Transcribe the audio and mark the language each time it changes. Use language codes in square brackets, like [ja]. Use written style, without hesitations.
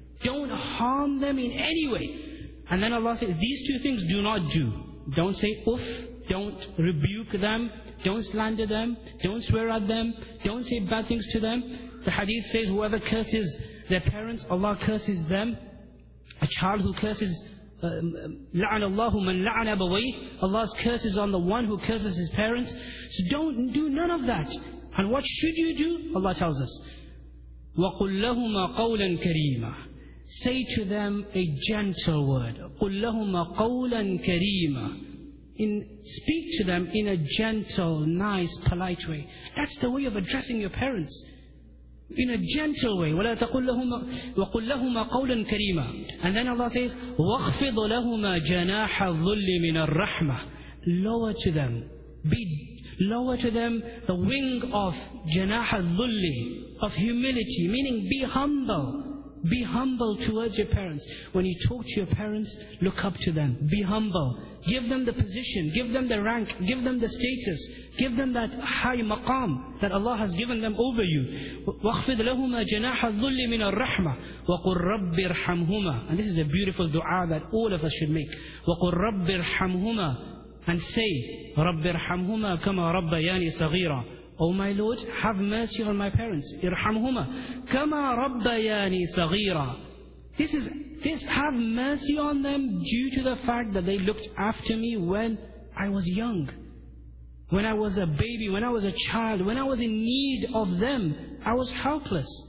[en] Don't harm them in any way. And then Allah says, these two things do not do. Don't say uff. Don't rebuke them. Don't slander them. Don't swear at them. Don't say bad things to them. The hadith says, whoever curses their parents, Allah curses them. A child who curses, [ar] لَعَنَ اللَّهُ مَنْ لَعَنَ أَبَوَيْهِ. [en] Allah's curse is on the one who curses his parents. So don't do none of that. And what should you do? Allah tells us, [ar] وَقُلْ لَهُمَا قَوْلًا كَرِيمًا. [en] Say to them a gentle word. [ar] قُلْ لَهُمَا قَوْلًا كَرِيمًا. [en] Speak to them in a gentle, nice, polite way. That's the way of addressing your parents. In a gentle way. [ar] وَقُلْ لَهُمَا قَوْلًا كَرِيمًا. [en] And then Allah says, [ar] وَخْفِضُ لَهُمَا جَنَاحَ الظُّلِّ مِنَ الرَّحْمَةِ. [en] Lower to them. Lower to them the wing of [ar] جَنَاحَ الظُّلِّ. [en] Of humility. Meaning be humble. Be humble towards your parents. When you talk to your parents, look up to them. Be humble. Give them the position. Give them the rank. Give them the status. Give them that high maqam that Allah has given them over you. [ar] وَخْفِضْ لَهُمَا جَنَاحَ الظُّلِّ مِنَ الرَّحْمَةِ وَقُلْ رَبِّ ارْحَمْهُمَا. [en] And this is a beautiful dua that all of us should make. [ar] وَقُلْ رَبِّ ارْحَمْهُمَا. [en] And say, [ar] رَبِّ ارْحَمْهُمَا كَمَا رَبَّيَانِي صَغِيرًا. [en] Oh my Lord, have mercy on my parents. Irhamhuma. [ar] Kama rabbayani saghira. [en] This have mercy on them due to the fact that they looked after me when I was young. When I was a baby, when I was a child, when I was in need of them, I was helpless.